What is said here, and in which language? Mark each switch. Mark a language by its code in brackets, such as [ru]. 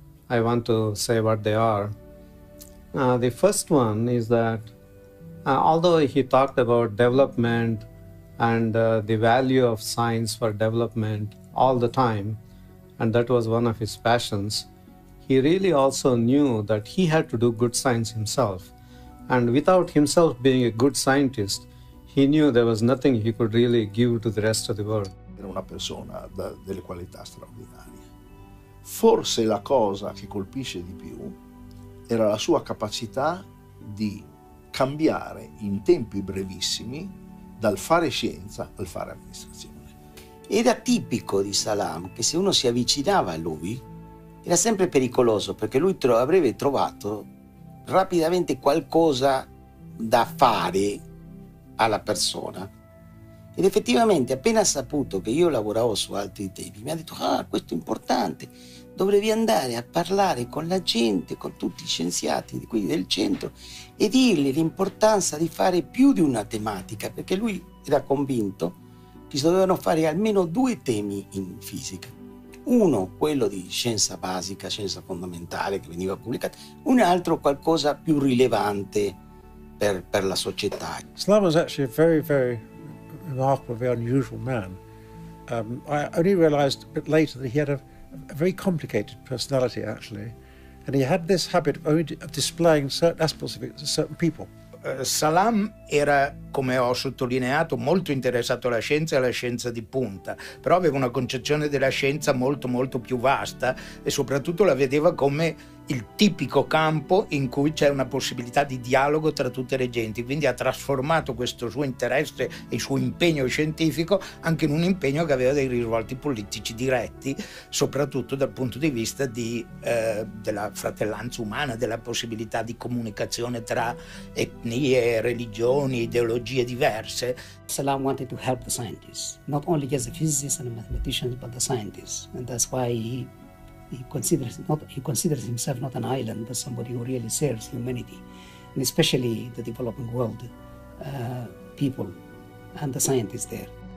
[en] I want to say what they are. The first one is that although he talked about development and the value of science for development all the time, and that was one of his passions, he really also knew that he had to do good science himself. And without himself being a good scientist, he knew there was nothing he could really give to the rest of the world. [it] Era una persona delle qualità straordinarie. Forse la cosa che colpisce di più era la sua capacità di cambiare in tempi brevissimi dal fare scienza al fare amministrazione. Era tipico di Salam che se uno si avvicinava a lui era sempre pericoloso, perché lui avrebbe trovato rapidamente qualcosa da fare alla persona. Ed effettivamente, appena ha saputo che io lavoravo su altri temi, mi ha detto: ah, questo è importante, dovrei andare a parlare con la gente, con tutti gli scienziati quindi del centro, e dirgli l'importanza di fare più di una tematica, perché lui era convinto che si dovevano fare almeno due temi in fisica. Uno, quello di scienza basica, scienza fondamentale, che veniva pubblicato, un altro, qualcosa più rilevante per la società. [en] Salam was actually a very, very remarkable, very unusual man. I only realized a bit later that he had a very complicated personality, actually, and he had this habit of only displaying certain aspects of it to certain people. [it] Salam era, come ho sottolineato, molto interessato alla scienza e alla scienza di punta, però aveva una concezione della scienza molto, molto più vasta, e soprattutto la vedeva come il tipico campo in cui c'è una possibilità di dialogo tra tutte le genti. Quindi ha trasformato questo suo interesse e il suo impegno scientifico anche in un impegno che aveva dei risvolti politici diretti, soprattutto dal punto di vista della fratellanza umana, della possibilità di comunicazione tra etnie, religioni, ideologie diverse. [en] Salam wanted to help the scientists, not only as a physicist and a mathematician, but the scientists, and that's why he considers himself not an island, but somebody who really serves humanity, and especially the developing world, people and the scientists there.